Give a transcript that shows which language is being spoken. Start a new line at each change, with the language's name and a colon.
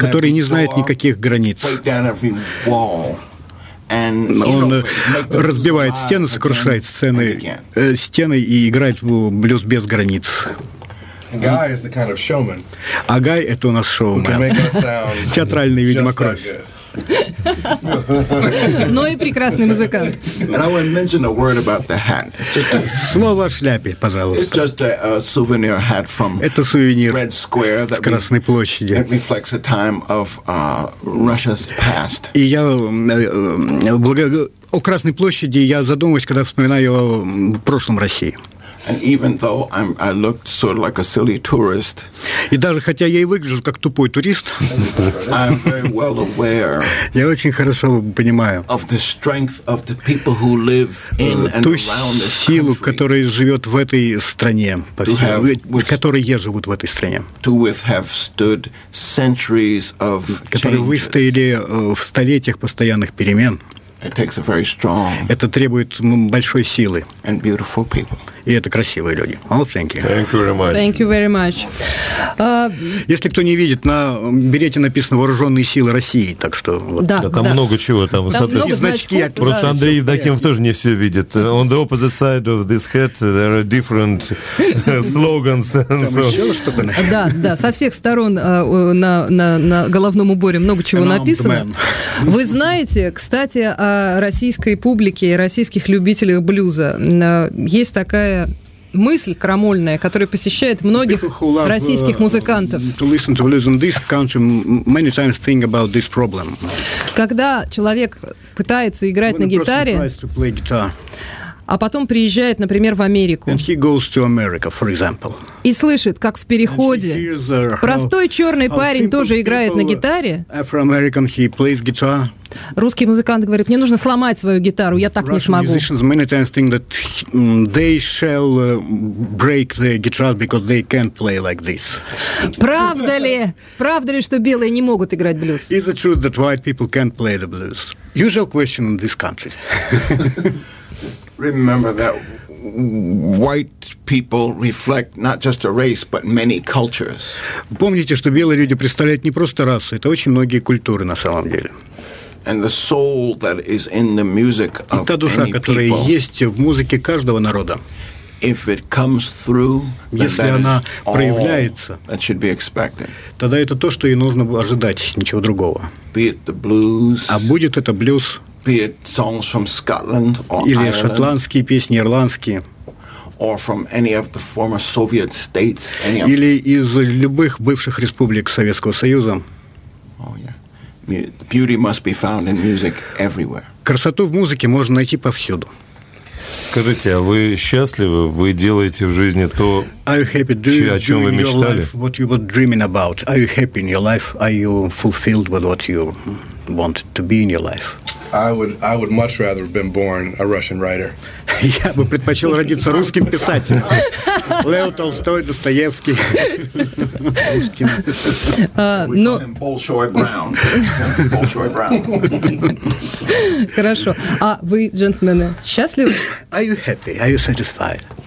Russian: который не знает никаких границ. Он разбивает стены, сокрушает стены и играет в блюз без границ.
English: Guy is the kind of showman.
Russian: А Гай — это у нас шоумен. Театральный ведьмакровь. Но и прекрасный музыкант.
English: And I want to mention a word about the hat.
Russian: Слово о шляпе, пожалуйста.
English: It's just a souvenir hat from Red Square,
Russian: с Красной площади.
English: It reflects a time of Russia's past.
Russian: И я о Красной площади я задумываюсь, когда вспоминаю о прошлом России.
English: And even though I looked sort of like a silly tourist,
Russian: и даже хотя я и выгляжу как тупой турист,
English: I'm very well aware.
Russian: Я очень хорошо понимаю.
English: Of the strength of the people who live in and around this country.
Russian: Ту силу, которая живет в этой стране, которые живут в этой стране.
English: To have stood centuries of changes.
Russian: Которые выстояли в столетиях постоянных перемен.
English: It takes a very strong.
Russian: Это требует большой силы.
English: And beautiful people.
Russian: И это красивые люди.
English: Oh, thank you. Thank you very much. Thank you very much.
Russian: Если кто не видит, на берете написано «Вооруженные силы России», так что... Вот. Да, там да. Много чего. Там много значков. Значки, просто Андрей Евдокимов тоже не все видит.
English: On the opposite side of this hat there are different slogans.
Russian: Там so. Еще что-то. Да, да, со всех сторон на головном уборе много чего
English: And
Russian: написано. Вы знаете, кстати, о российской публике и российских любителях блюза. Есть такая мысль крамольная, которая посещает многих российских музыкантов.
English: To listen to blues in this country, many times think about this problem.
Russian: Когда человек пытается играть
English: when
Russian: на гитаре, а потом приезжает, например, в Америку.
English: And he goes to America, for example.
Russian: И слышит, как в переходе простой черный парень тоже играет на гитаре.
English: Afro-American, he plays guitar.
Russian: Русский музыкант говорит, мне нужно сломать свою гитару, я так
English: Russian
Russian: не смогу.
English: Russian musicians many times think that they shall break their guitar because they can't play like this.
Russian: Правда ли? Правда ли, что белые не могут играть блюз?
English: Is it true that white people can't play the blues? Usual question in this country. Remember that white people reflect not just a race, but many cultures.
Russian: Помните, что белые люди представляют не просто расу, это очень многие культуры на самом деле.
English: And the soul that is in the music of any people.
Russian: И та душа, которая есть в музыке каждого народа.
English: If it comes through,
Russian: если она проявляется,
English: that should be expected.
Russian: Тогда это то, что и нужно ожидать, ничего другого.
English: Be it the blues.
Russian: А будет это блюз.
English: Be it songs from Scotland or
Russian: или
English: Ireland,
Russian: шотландские песни, ирландские.
English: or from any of the former Soviet states, any of
Russian: или из любых бывших республик Советского Союза.
English: Oh yeah. Beauty must be found in music everywhere.
Russian: Красоту в музыке можно найти повсюду. Скажите, а вы счастливы? Вы делаете в жизни то, о чем вы мечтали?
English: What you were dreaming about? Are you happy in your life? Are you fulfilled with what you wanted to be in your life? I would much rather have been born a Russian writer.
Russian: Я бы предпочел родиться русским писателем. Лев Толстой, Достоевский. Русским. Но Большой Браун. Большой Браун. Хорошо. А вы, джентльмены, счастливы?
English: Are you happy? Are you satisfied?